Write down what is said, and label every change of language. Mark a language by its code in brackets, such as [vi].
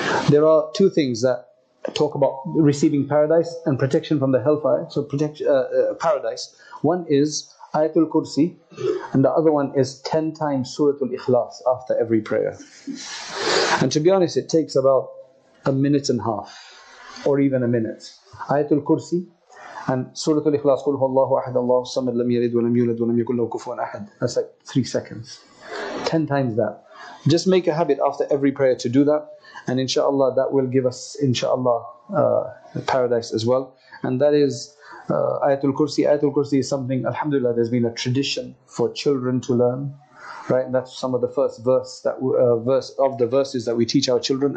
[en] There are two things that talk about receiving paradise and protection from the hellfire. So paradise. One is Ayatul Kursi, and the other one is 10 times Suratul Ikhlas after every prayer. And to be honest, it takes about a minute and a half, or even a minute. Ayatul Kursi. [ar] And Surah Al-Ikhlas, قُلْهُ اللَّهُ أَحَدَ اللَّهُ الصَّمَدْ لَمْ يَلِدْ وَلَمْ يُولَدْ وَلَمْ يَكُنْ لَهُ كُفُوًا أَحَدٌ. [en] That's like 3 seconds. 10 times that. Just make a habit after every prayer to do that. And inshaAllah, that will give us, inshaAllah, paradise as well. And that is Ayatul Kursi. Ayatul Kursi is something, alhamdulillah, there's been a tradition for children to learn. Right, and that's some of the first verse that verses that we teach our children.